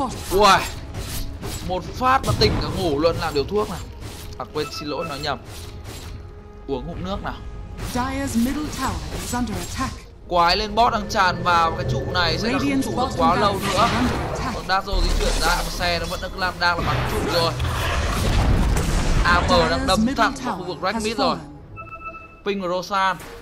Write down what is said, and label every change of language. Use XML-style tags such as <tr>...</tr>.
<vi>Uầy, một phát mà tỉnh cả ngủ luôn là điều thuốc nào. À quên, xin lỗi, nói nhầm. Uống hụt nước nào.</vi> <en>Dire's middle tower is under attack.</en> <vi>Quái lên boss đang tràn vào cái trụ này sẽ là không trụ được quá lâu nữa. Còn Dazzle di chuyển ra, xe nó vẫn đang là bắn trụ rồi. AM đang đâm thẳng vào khu vực Red Mid rồi. Ping và Roshan.</vi>